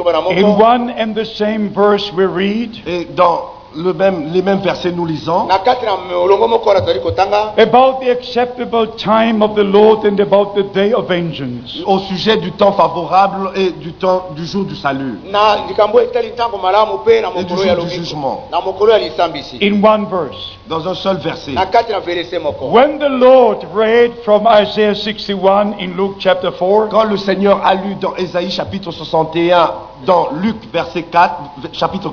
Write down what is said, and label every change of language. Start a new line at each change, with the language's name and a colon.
English: in one and the same verse we read,
French: et dans les mêmes versets nous lisons,
English: about the acceptable time of the Lord and about the day of vengeance,
French: au sujet du temps favorable et du temps du jour du salut, et du jour du jugement.
English: In one verse,
French: dans un seul verset.
English: When the Lord read from Isaiah 61 in Luke chapter 4,
French: quand le Seigneur a lu dans Ésaïe chapitre 61 dans Luc verset 4, chapitre